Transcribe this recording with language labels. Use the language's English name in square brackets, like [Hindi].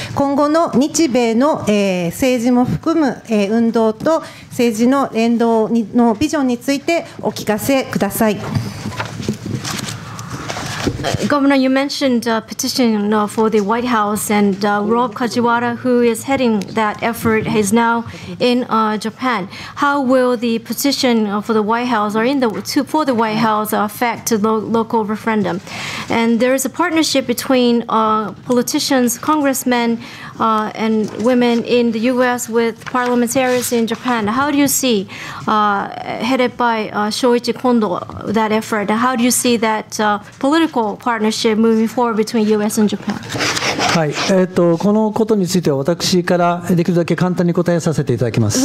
[Japanese] 今後の日米の、政治も含む、運動と政治の連動のビジョンについてお聞かせください。 [English] Governor, you mentioned a petition for the White House, and Rob Kajiwara, who is heading that effort, is now in Japan. How will the petition for the White House or for the White House affect the local referendum? And there is a partnership between politicians, congressmen, and women in the U.S. with parliamentarians in Japan. How do you see, headed by Shoichi Kondo, that effort? And how do you see that political partnership moving forward between U.S. and Japan? [Japanese] はい、このことについては私からできるだけ簡単に答えさせていただきます。